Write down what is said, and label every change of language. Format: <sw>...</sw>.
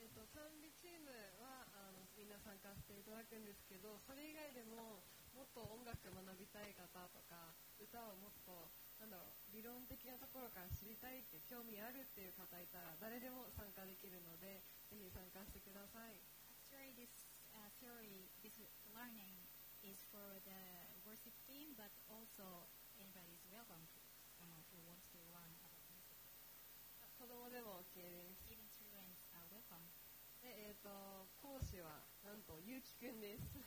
<ja>サンビチームはみんな参加していただくんですけど、それ以外でももっと音楽学びたい方とか、歌をもっと理論的なところから知りたいって興味あるっていう方いたら誰でも参加できるので、ぜひ参加してください。</ja> <en>Actually this theory, this learning is for the worship team, but also anybody is welcome to, who wants to learn about music.</en> <ja>子供でも OK です。</ja> <en>Even children are welcome.</en> <ja>で、講師はなんとゆきくんです。</ja>